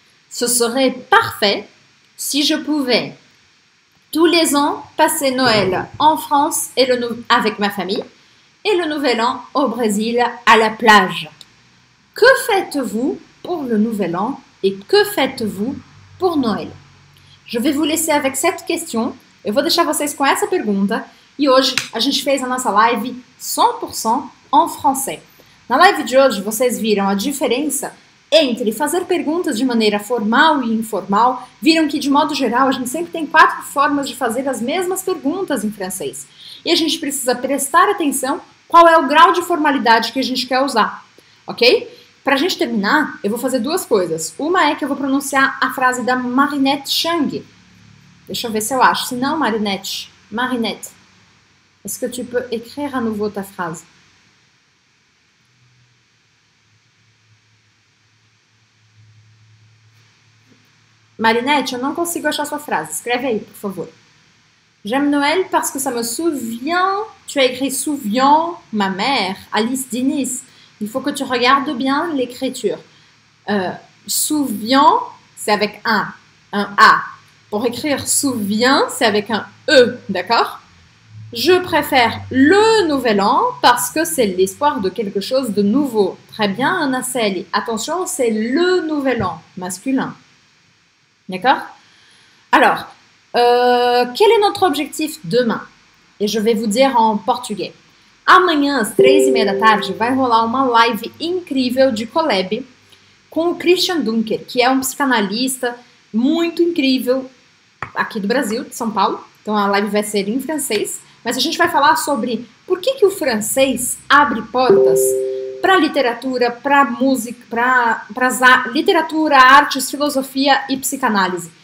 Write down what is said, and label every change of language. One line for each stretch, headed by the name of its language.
French: Ce serait parfait si je pouvais tous les ans passer Noël en France et avec ma famille et le Nouvel An au Brésil à la plage. Que faites-vous pour le Nouvel An et que faites-vous pour Noël? Je vais vous laisser avec cette question.
Portuguese: Eu vou deixar vocês com essa pergunta. E hoje a gente fez a nossa live
French: 100% en français.
Portuguese: Na live de hoje, vocês viram a diferença entre fazer perguntas de maneira formal e informal. Viram que, de modo geral, a gente sempre tem quatro formas de fazer as mesmas perguntas em francês. E a gente precisa prestar atenção qual é o grau de formalidade que a gente quer usar. Ok? Para a gente terminar, eu vou fazer duas coisas. Uma é que eu vou pronunciar a frase da Marinette Chang. Deixa eu ver se eu acho. Se não,
French: Marinette, est-ce que tu peux écrire à nouveau ta phrase?
Portuguese: Marinette, eu não consigo achar sua frase. Escreve aí, por favor.
French: J'aime Noël parce que ça me souvient. Tu as écrit souvient ma mère, Alice Diniz. Il faut que tu regardes bien l'écriture. Souvient, c'est avec un A. Pour écrire « souviens », c'est avec un « e », d'accord? Je préfère le Nouvel An parce que c'est l'espoir de quelque chose de nouveau. Très bien, Anna Selly. Attention, c'est le Nouvel An masculin. D'accord? Alors, Quel est notre objectif demain? Et je vais vous dire en portugais.
Portuguese: Amanhã, às 3h30 da tarde, vai rolar uma live incrível de collab com o Christian Dunker, que é um psicanalista muito incrível aqui do Brasil, de São Paulo. Então a live vai ser em francês. Mas a gente vai falar sobre por que que o francês abre portas para literatura, para música, para literatura, artes, filosofia e psicanálise.